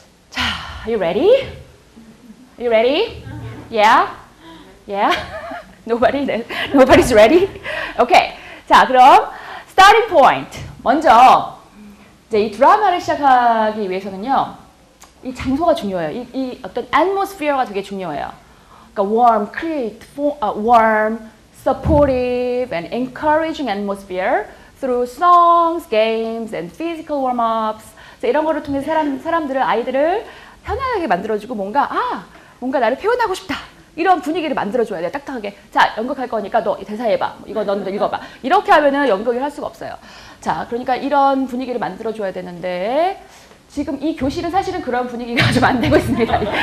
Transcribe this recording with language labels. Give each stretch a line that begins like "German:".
English: 자, are you ready? Are you ready? Yeah? Yeah? Nobody's ready? Okay. 자, 그럼 starting point.
Korean: 먼저 이제 이 드라마를 시작하기 위해서는요. 이 장소가 중요해요. 이 어떤 atmosphere가 되게 중요해요.
English: 그러니까 warm, create, warm, supportive, and encouraging atmosphere through songs, games, and physical warm-ups.
Korean: 이런 거를 통해서 사람들을, 아이들을 편안하게 만들어주고 뭔가, 아, 뭔가 나를 표현하고 싶다. 이런 분위기를 만들어줘야 돼요. 딱딱하게. 자, 연극할 거니까 너 대사 해봐. 이거 넌 읽어봐. 이렇게 하면은 연극을 할 수가 없어요. 자, 그러니까 이런 분위기를 만들어줘야 되는데, 지금 이 교실은 사실은 그런 분위기가 좀 안 되고 있습니다.